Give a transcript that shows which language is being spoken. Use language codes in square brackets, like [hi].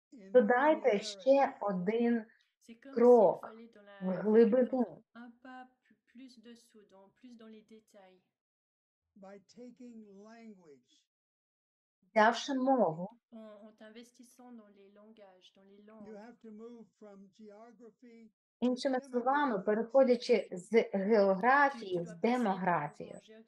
[uk] Додайте ще один крок в глибину. [fr] Un pas plus dessous, donc plus dans les détails. [en] By taking language. [uk] Взявши мову. [fr] En investissant dans les langages, dans les langues. [en] You have to move from geography. [uk] Іншими словами, переходячи з географії в демографію.